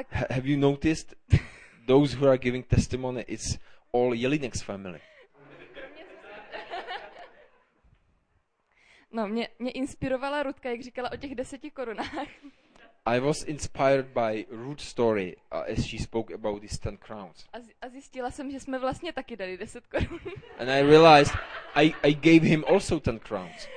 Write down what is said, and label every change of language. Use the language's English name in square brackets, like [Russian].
[English] Have you noticed those who are giving testimony, it's all Jelinek's family. [Czech] No, mě inspirovala Rutka, jak říkala o těch 10 korunách. [English] I was inspired by Ruth's story as she spoke about these 10 crowns. [Czech] A zjistila jsem, že jsme vlastně taky dali 10 korun. [English] And I realized I gave him also 10 crowns.